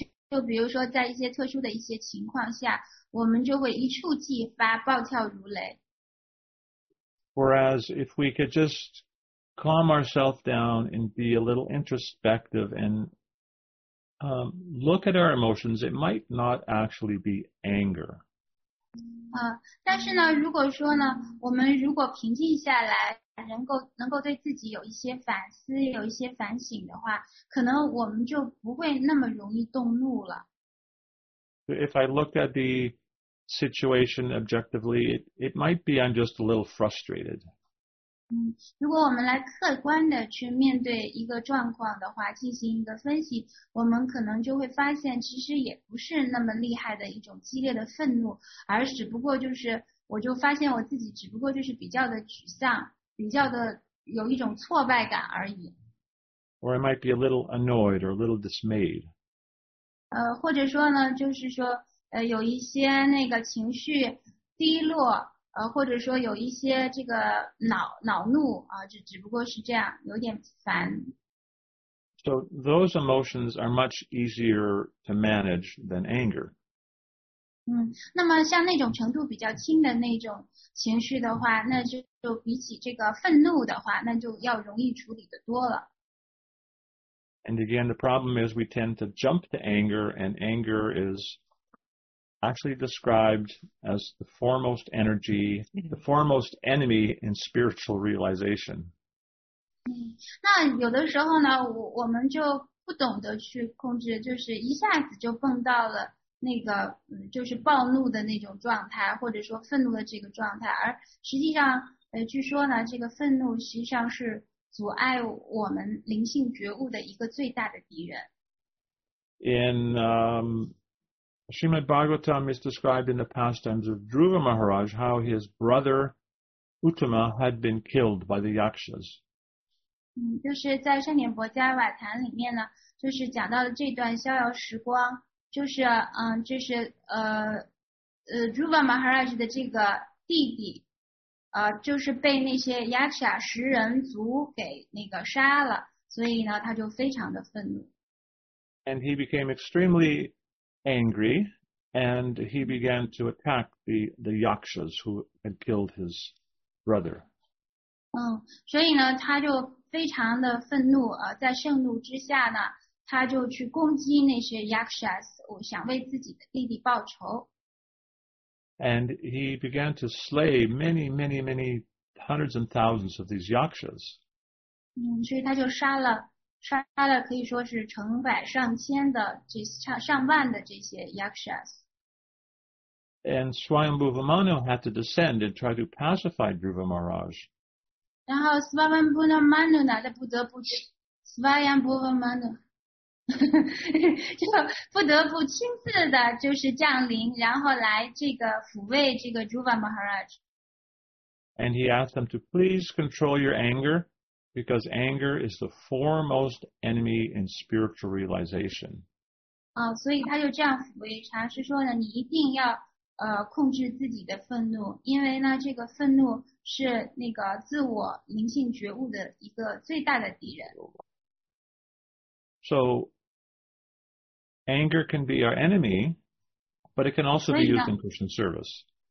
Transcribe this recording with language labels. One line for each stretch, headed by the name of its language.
Chinese: 就比如说在一些特殊的一些情况下，我们就会一触即发，暴跳如雷。
English: Whereas if we could just calm ourselves down and be a little introspective and look at our emotions, it might not actually be anger.
Chinese: 但是呢，如果说呢，我们如果平静下来，能够对自己有一些反思，有一些反省的话，可能我们就不会那么容易动怒了。
English: If I looked at the situation objectively, it might be I'm just a little frustrated.
Chinese: 如果我们来客观的去面对一个状况的话，进行一个分析，我们可能就会发现，其实也不是那么厉害的一种激烈的愤怒，而只不过就是，我就发现我自己只不过就是比较的沮丧，比较的有一种挫败感而已。
English: Or I might be a little annoyed or a little dismayed.
Chinese: 或者说呢，就是说，有一些那个情绪低落，或者说有一些这个 恼怒、只不过是这样，有点烦。
English: So those emotions are much easier to manage than anger.
Chinese: 那么像那种程度比较轻的那种情绪的话，那 就比起这个愤怒的话，那就要容易处理的多了。
English: And again, the problem is we tend to jump to anger, and anger is actually described as the foremost energy, the foremost enemy in spiritual realization.
Chinese: 那有的时候呢 我们就不懂得去控制，就是一下子就蹦到了那个就是暴怒的那种状态，或者说愤怒的这个状态，而实际上据说呢，这个愤怒实际上是阻碍我们灵性觉悟的一个最大的敌人。
English: Srimad Bhagavatam is described in the pastimes of Dhruva Maharaj how his brother Uttama had been killed by the Yakshas.
Chinese: 就是在《山田伯家瓦谈》里面呢，就是讲到了这段逍遥时光，就是Dhruva Maharaj 的这个弟弟，就是被那些 Yaksha 食人族给那个杀了，所以呢，他就非常的愤怒。
English: And he became extremely angry, and he began to attack the Yakshas who had killed his brother.
Chinese: 所以呢，他就非常的愤怒，在盛怒之下呢，他就去攻击那些 Yakshas, 想为自己的弟弟报仇。
English: And he began to slay many, many, many hundreds and thousands of these Yakshas.
Chinese: 所以他就杀了可以说是成百上千的这上万的这些 Yakshas.
English: And Swayambhu Vimano had to descend and try to pacify Dhruva Maharaj.
Chinese: 然后 Swayambhu Vimano 呢，他不得不 Swayambhu Vimano 就不得不亲自的就是降临，然后来这个抚慰这个 Dhruva Maharaj.
English: And he asked them to please control your anger. Because anger is the foremost enemy in spiritual realization.
Chinese: 所以他就这样抚慰禅师说呢，你一定要控制自己的愤怒，因为呢，这个愤怒是那个自我灵性觉悟的一个最大的敌人。
English: So anger can be our enemy, but it can also be used in Christian service.